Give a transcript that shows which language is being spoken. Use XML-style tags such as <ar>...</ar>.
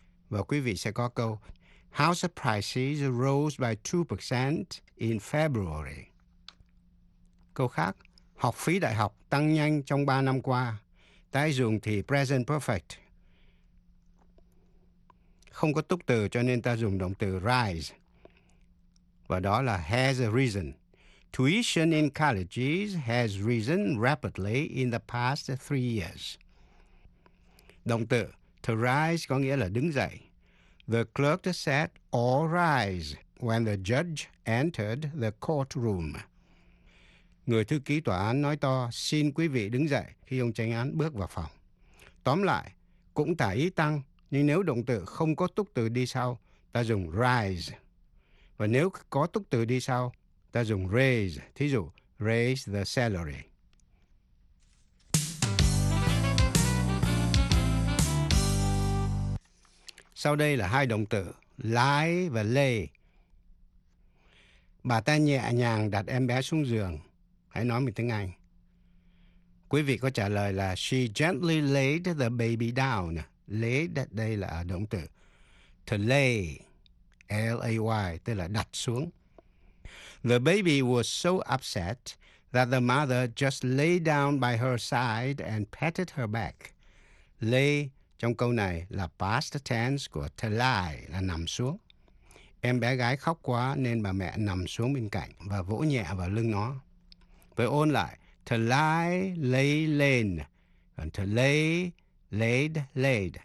<vi>Và quý vị sẽ có câu</vi> <en>house prices rose by 2% in February.</en> <vi>Câu khác, học phí đại học tăng nhanh trong 3 năm qua. Tái dùng thì present perfect. Không có tục từ cho nên ta dùng động từ rise. Và đó là has risen.</vi> <en>Tuition in colleges has risen rapidly in the past 3 years.</en> <vi>Động từ to rise có nghĩa là đứng dậy.</vi> <en>The clerk said all rise when the judge entered the courtroom.</en> <vi>Người thư ký tòa án nói to xin quý vị đứng dậy khi ông chánh án bước vào phòng. Tóm lại, cũng tả ý tăng Nhưng nếu động từ không có túc từ đi sau, ta dùng rise. Và nếu có túc từ đi sau, ta dùng raise. Thí dụ,</vi> <en>raise the salary.</en> <vi>Sau đây là hai động từ, lie và lay. Bà ta nhẹ nhàng đặt em bé xuống giường. Hãy nói mình tiếng Anh. Quý vị có trả lời là</vi> <en>she gently laid the baby down.</en> <vi>Laid đây là động từ. To lay, L-A-Y, tức là đặt xuống.</vi> <en>The baby was so upset that the mother just lay down by her side and patted her back.</en> <vi>Lay trong câu này là past tense của to lie, là nằm xuống. Em bé gái khóc quá nên bà mẹ nằm xuống bên cạnh và vỗ nhẹ vào lưng nó. Với ôn lại, to lie, lay, lain. Còn to lay, laid, laid.</vi>